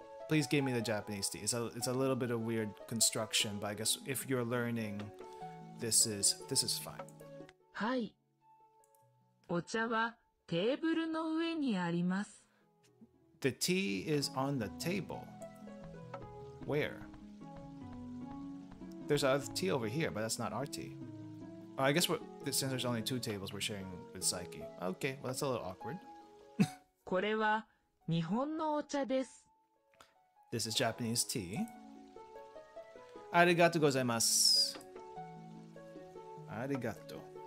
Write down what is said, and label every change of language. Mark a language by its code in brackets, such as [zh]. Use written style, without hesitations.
[en] Please give me the Japanese tea. It's a little bit of weird construction, but I guess if you're learning, this is fine. [ja] はい。お茶はテーブルの上にあります。 [en] The tea is on the table. Where? There's a tea over here, but that's not our tea. I guess since there's only two tables, we're sharing with Saiki. Okay, well, that's a little awkward. [ja] これは日本のお茶です。 [en] This is Japanese tea. [ja] ありがとうございます。ありがとう。